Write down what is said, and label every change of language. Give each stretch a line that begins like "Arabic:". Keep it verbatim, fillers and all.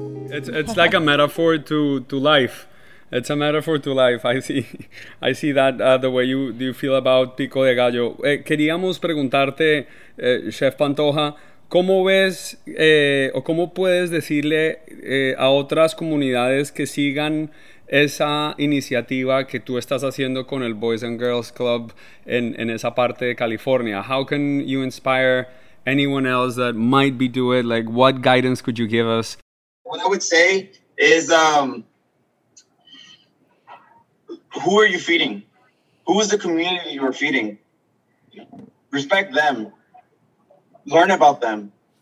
English: It's it's like a metaphor to, to life. It's a metaphor to life. I see, I see that uh, the way you you feel about Pico de Gallo.
Spanish: Eh, queríamos preguntarte, eh, Chef Pantoja, ¿cómo ves eh, o cómo puedes decirle eh, a otras comunidades que sigan esa iniciativa que tú estás haciendo con el Boys and Girls Club en, en esa parte de California?
English: How can you inspire anyone else that might be doing? Like, what guidance could you give us? What I would say is, um, who are you feeding? Who is the community you're feeding? Respect them. Learn about them.